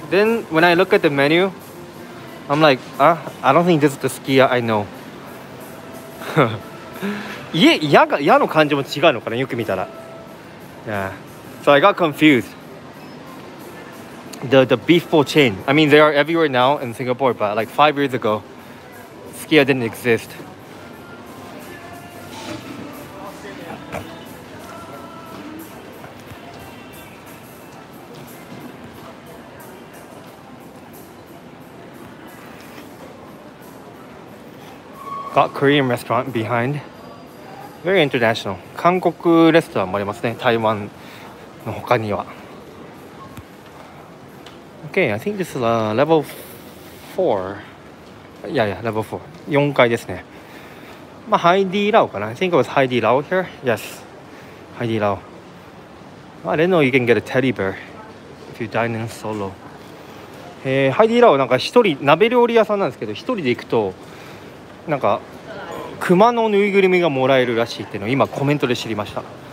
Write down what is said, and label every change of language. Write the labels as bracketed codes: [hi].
[en] Then when I look at the menu, I'm like, "Ah, I don't think this is the すき家I know." [ja] 矢の感じも違うのかな、よく見たら。 [en] Yeah, so I got confused. The beefful chain, I mean they are everywhere now in Singapore, but like 5 years ago, Skia didn't exist. Got Korean restaurant behind. Very international. [ja] 韓国レストランもありますね。台湾の他には。 [en] Okay, I think this is level 4. Yeah, yeah, level 4. [ja] 4階ですね。まあ、ハイディラオかな。 [en] I think it was ハイディラオ here. Yes. ハイディラオ。 I don't know, you can get a teddy bear if you dine in solo. [ja] ハイディラオなんか一人、鍋料理屋さんなんですけど、一人で行くと、なんか、熊のぬいぐるみがもらえるらしいっていうのを今コメントで知りました。